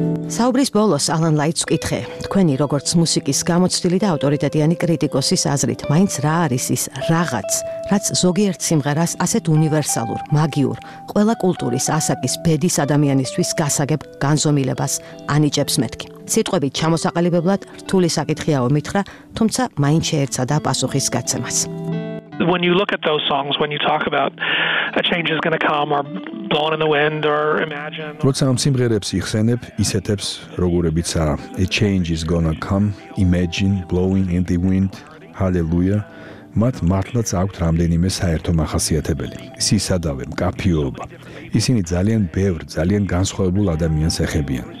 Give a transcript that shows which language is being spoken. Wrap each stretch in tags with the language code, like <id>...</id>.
<ka>საუბრის ბოლოს ალან ლაიტს ვკითხე. თქვენი როგორც მუსიკის გამოცდილი და ავტორიტეტიანი კრიტიკოსის აზრით, მაინც რა არის ის რაღაც, რაც ზოგიერთ სიმღერას ასეთ უნივერსალურ, მაგიურ, ყველა კულტურის ასაკის ბედის ადამიანისთვის გასაგებ განზომილებას ანიჭებს მეთქი? სიტყვები ჩამოსაყალიბებლად რთული საკითხია ომითხრა, თუმცა მაინც შეერცადა პასუხის გაცემას.</ka> <en>When you look at those songs, when you talk about a change is going to come or blown in the wind or imagine,</en> <ka>როცა ამ სიმღერებს იხსენებ, ისეთებს, როგორებიცა a change is going to come, imagine, blowing in the wind, hallelujah, მათ მართლაც აქვთ რამდენიმე საერთო მახასიათებელი. სისადავე, მკაფიოობა. ისინი ძალიან ბევრ, ძალიან განსხვავებულ ადამიანს ეხებიან.</ka>